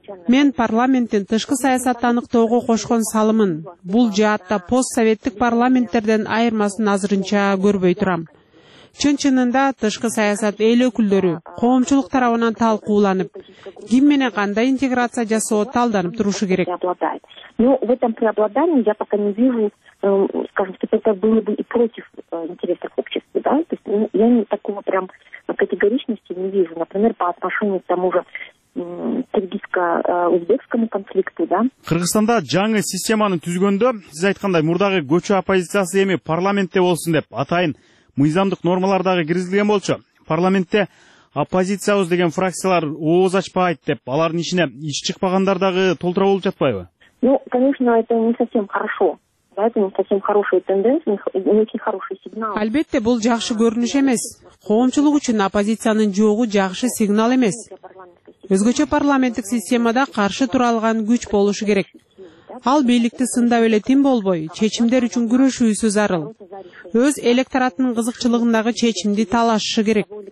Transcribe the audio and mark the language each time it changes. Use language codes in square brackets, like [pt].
[ky] Мен парламенттин тышкы саясатты аныктоого кошкон салымын бул жаатта постсоветтик парламенттерден айырмасын азырынча көрбөй турам. Чын-чынында тышкы саясат эл өкүлдөрү, коомчулук тарабынан талкууланып, ким менен кандай интеграция жасоо талданып турушу керек. [ru] Но в этом преобладании я пока не вижу, скажем, что это было бы и против интересов общества, да? То есть я не такого прям категоричности не вижу. Например, по отношению к тому же кыргызско-узбекскому конфликту, да? [ky] Кыргызстанда жаңы системаны түзгөндө, сиз айткандай, мурдагы көчө оппозициясы эми парламентте болсун деп атайын мыйзамдык нормалар дагы киргизилген болчу. Парламентте оппозициябыз деген фракциялар ооз ачпайт деп, алардын ичине ич чыкпагандар дагы толтура болуп жатпайбы? [ru] Ну, конечно, это не совсем хорошо. Да, это не совсем хорошая тенденция, не очень хороший сигнал. [ky] Албетте, бул жакшы көрүнүш эмес. Коомчулук үчүн оппозициянын жоогу жакшы сигнал эмес. Өзгөчө парламенттик системада каршы тура алган күч болушу керек. Ал бийликти сындап эле тим болбой, чечимдер үчүн күрөшүүсү зарыл. Өз электоратынын кызыкчылыгындагы чечимди талашышы керек.